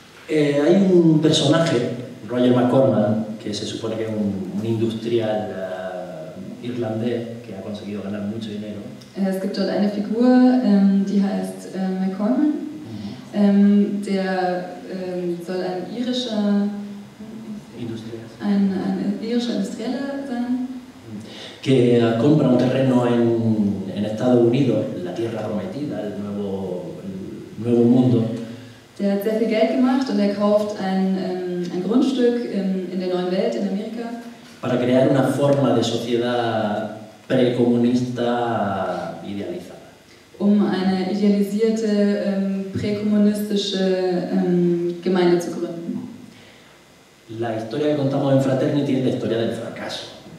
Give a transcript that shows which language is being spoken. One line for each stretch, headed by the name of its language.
Spanish: Hay un personaje, Roger McCormack, que se supone que es un industrial irlandés que ha conseguido ganar mucho dinero.
German: Es gibt dort eine Figur, die heißt McCormack, der soll ein irischer Industrieller sein.
Spanish: Que compra un terreno en Estados Unidos, la tierra prometida, el nuevo mundo.
German: Der hat sehr viel Geld gemacht und er kauft ein Grundstück in der neuen Welt, in Amerika.
Spanish: Para crear una forma de sociedad precomunista idealizada.
German: Um eine idealisierte präkommunistische Gemeinde zu gründen.
Spanish: La historia que contamos en Fraternity es la historia del fracaso.